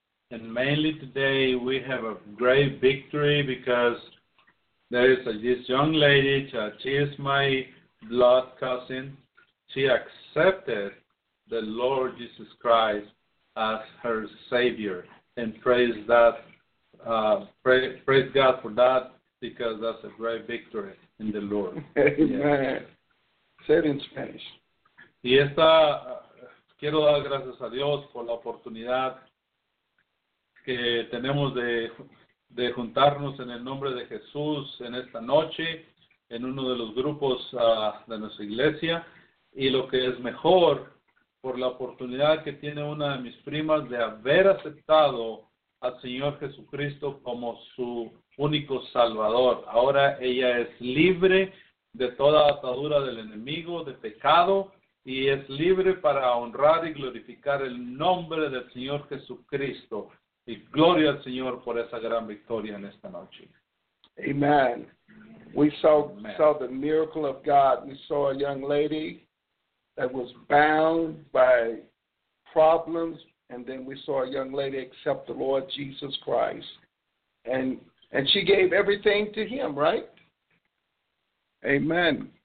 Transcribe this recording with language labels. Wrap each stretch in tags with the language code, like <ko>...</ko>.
<en>And mainly today we have a great victory because there is this young lady, she is my blood cousin. She accepted the Lord Jesus Christ as her Savior. And praise that, praise God for that, because that's a great victory in the Lord. Amen. Yes. Say it in Spanish.</en> <es>Y esta, quiero dar gracias a Dios por la oportunidad que tenemos de juntarnos en el nombre de Jesús en esta noche en uno de los grupos de nuestra iglesia. Y lo que es mejor, por la oportunidad que tiene una de mis primas de haber aceptado al Señor Jesucristo como su único Salvador. Ahora ella es libre de toda atadura del enemigo, de pecado, y es libre para honrar y glorificar el nombre del Señor Jesucristo. Y gloria al Señor por esa gran victoria en esta noche.</es> <en>Amen. We saw the miracle of God. We saw a young lady that was bound by problems, and then we saw a young lady accept the Lord Jesus Christ. And she gave everything to him, right? Amen.</en>